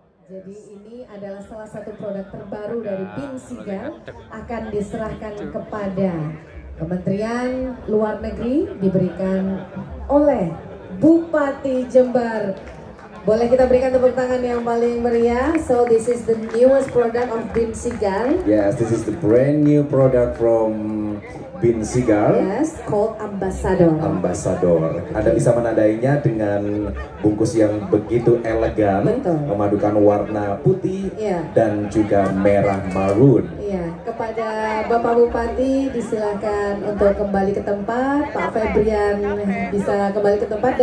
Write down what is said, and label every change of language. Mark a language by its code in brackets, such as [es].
[id] Jadi ini adalah salah satu produk terbaru dari PIN Cigar akan diserahkan kepada Kementerian Luar Negeri, diberikan oleh Bupati Jember. Boleh kita berikan tepuk tangan yang paling meriah. [en] So this is the newest product of PIN Cigar. Yes, this is the brand new product from PIN Cigar. Yes, called Ambassador. Ambassador. [id] Anda bisa menandainya dengan bungkus yang begitu elegan. Betul. Memadukan warna putih, yeah, dan juga merah marun. Iya, yeah. Kepada Bapak Bupati disilakan untuk kembali ke tempat. Pak Febrian bisa kembali ke tempat.